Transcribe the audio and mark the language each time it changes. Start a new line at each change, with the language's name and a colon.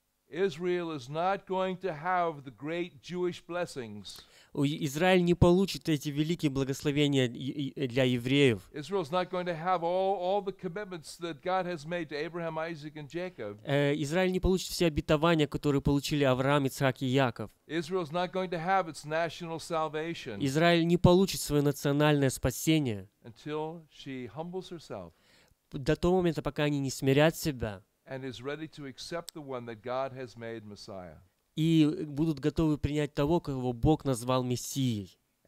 English: Israel is not going to have the great Jewish blessings.
Russian: Израиль не получит эти великие благословения для евреев.
English: Israel's not going to have all the commitments that God has made to Abraham, Isaac, and Jacob.
Russian: Израиль не получит все обетования, которые получили Авраам, Ицхак и Яков.
English: Israel's not going to have its national salvation.
Russian: Израиль не получит свое национальное спасение.
English: Until she humbles herself.
Russian: До того момента, пока они не смирят себя.
English: And is ready to accept the one that God has made Messiah.
Russian: И будут готовы принять того, кого Бог назвал Мессией.